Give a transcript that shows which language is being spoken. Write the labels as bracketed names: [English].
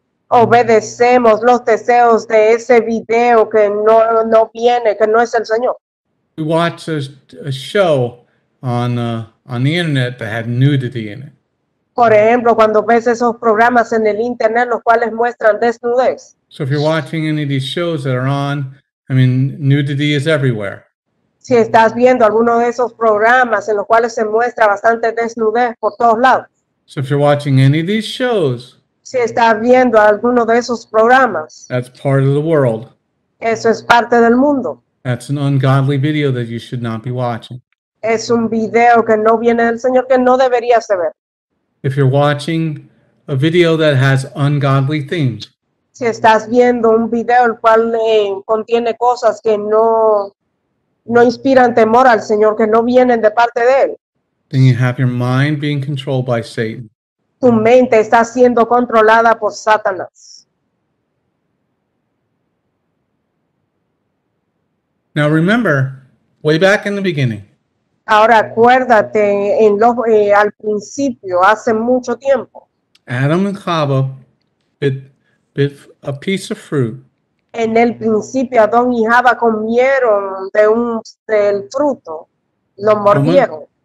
[Spanish] Obedecemos los deseos de ese video que no viene, que no es el Señor. [English] We watched a show on the internet that had nudity in it. [Spanish] Por ejemplo, cuando ves esos programas en el internet, los cuales muestran desnudez. [English] So if you're watching any of these shows that are on, I mean, nudity is everywhere. [Spanish] Si estás viendo alguno de esos programas en los cuales se muestra bastante desnudez por todos lados. [English] So if you're watching any of these shows, [Spanish] si estás viendo alguno de esos programas, [English] that's part of the world. [Spanish] Eso es parte del mundo. [English] That's an ungodly video that you should not be watching. [Spanish] Es un video que no viene del Señor, que no deberías de ver. [English] If you're watching a video that has ungodly themes. [Spanish] Si estás viendo un video el cual contiene cosas que no inspiran temor al Señor, que no vienen de parte de él. [English] Then you have your mind being controlled by Satan. [Spanish] Tu mente está siendo controlada por Satanás. [English] Now remember, way back in the beginning. [Spanish] Ahora acuérdate al principio, hace mucho tiempo. [English] Adam and Chava bit a piece of fruit. [Spanish] En el principio, Adán y Eva comieron del fruto, lo mordieron.